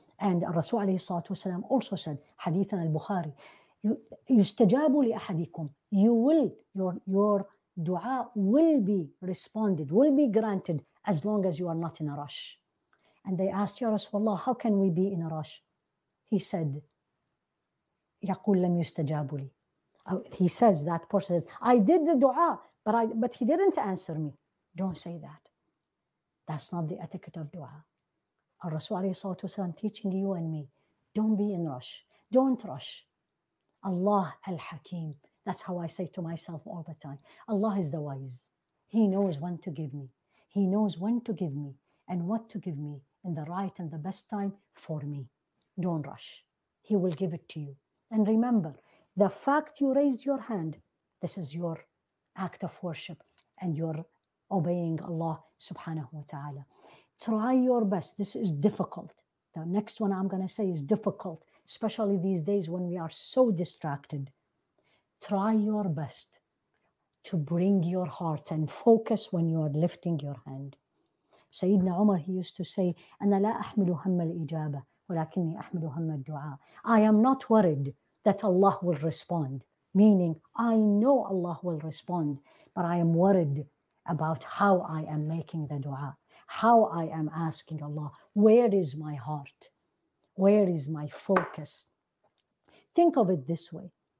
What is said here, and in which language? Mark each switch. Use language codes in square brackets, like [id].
[en] And Rasul alayhi salatu wasalam also said, hadithan al-Bukhari, [ar] يُسْتَجَابُ لِأَحَدِكُمْ, [en] you will, your dua will be responded, will be granted, as long as you are not in a rush. And they asked, Ya Rasulullah, how can we be in a rush? He said, [ar] يَقُلْ لَمْ يُسْتَجَابُ لِي. [en] He says, that person says, I did the dua, but he didn't answer me. Don't say that. That's not the etiquette of dua. Our Rasul alayhi salatu wasalam teaching you and me, don't be in rush. Don't rush. Allah al-Hakim. That's how I say to myself all the time. Allah is the wise. He knows when to give me. He knows when to give me and what to give me in the right and the best time for me. Don't rush. He will give it to you. And remember, the fact you raised your hand, this is your act of worship and you're obeying Allah subhanahu wa ta'ala. Try your best. This is difficult. The next one I'm going to say is difficult, especially these days when we are so distracted. Try your best to bring your heart and focus when you are lifting your hand. [ar] Sayyidina Umar, [en] he used to say, [ar] أنا لا أحمل هم الإجابة ولكني أحمل هم الدعاء. [en] I am not worried that Allah will respond, meaning I know Allah will respond, but I am worried about how I am making the dua, how I am asking Allah, where is my heart? Where is my focus? Think of it this way.